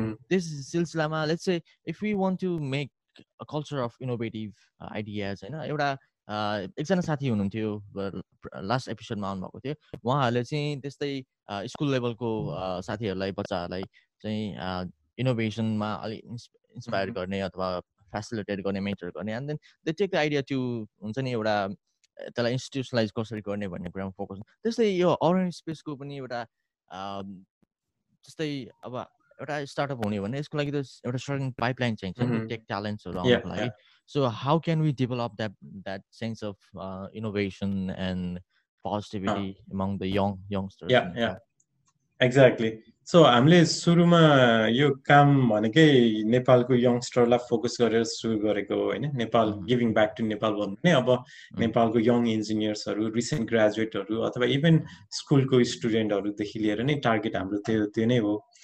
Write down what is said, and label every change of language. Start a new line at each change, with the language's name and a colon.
Nepali: This सिलसिलामा
English: let's say if you want to make a culture of innovative ideas
Nepali: होइन, एउटा एकजना साथी हुनुहुन्थ्यो लास्ट एपिसोडमा आउनुभएको थियो, उहाँहरूले चाहिँ त्यस्तै स्कुल लेभलको साथीहरूलाई बच्चाहरूलाई चाहिँ इनोभेसनमा अलिक इन्सपायर गर्ने अथवा फेसिलिटेट गर्ने मेन्टर गर्ने,
English: and then they take the idea
Nepali: त्यो हुन्छ नि एउटा त्यसलाई इन्स्टिट्युसनलाइज कसरी गर्ने भन्ने कुरामा फोकस. त्यस्तै यो अरन स्पेसको पनि एउटा जस्तै अब एउटा स्टार्टअप हुने भने यसको लागि त एउटा सर्टन पाइपलाइन चाहिन्छ टेक ट्यालेन्ट्सहरू आउनको लागि.
English: So how can we develop that sense of innovation and positivity among the youngsters? Exactly.
Nepali: So हामीले सुरुमा यो काम भनेकै नेपालको यङ्स्टरलाई फोकस गरेर सुरु गरेको होइन, Nepal
English: giving back to Nepal
Nepali: भन्नु नै, अब नेपालको यङ इन्जिनियर्सहरू रिसेन्ट ग्रेजुएटहरू अथवा इभन स्कुलको स्टुडेन्टहरूदेखि लिएर नै टार्गेट हाम्रो त्यो नै हो.